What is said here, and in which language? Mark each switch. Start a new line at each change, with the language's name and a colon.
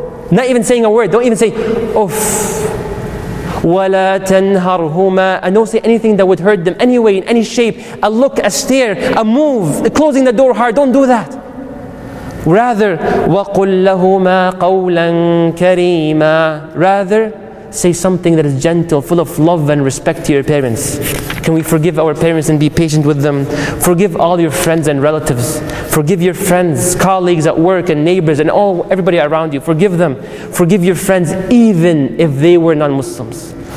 English: Not even saying a word. Don't even say, "Uff."
Arabic: وَلَا تَنْهَرْهُمَا.
English: And don't say anything that would hurt them anyway, in any shape. A look, a stare, a move, closing the door hard. Don't do that. Rather,
Arabic: وَقُلْ لَهُمَا قَوْلًا كَرِيمًا.
English: Rather, say something that is gentle, full of love and respect to your parents. Can we forgive our parents and be patient with them? Forgive all your friends and relatives. Forgive your friends, colleagues at work and neighbors and all everybody around you. Forgive them. Forgive your friends even if they were non-Muslims.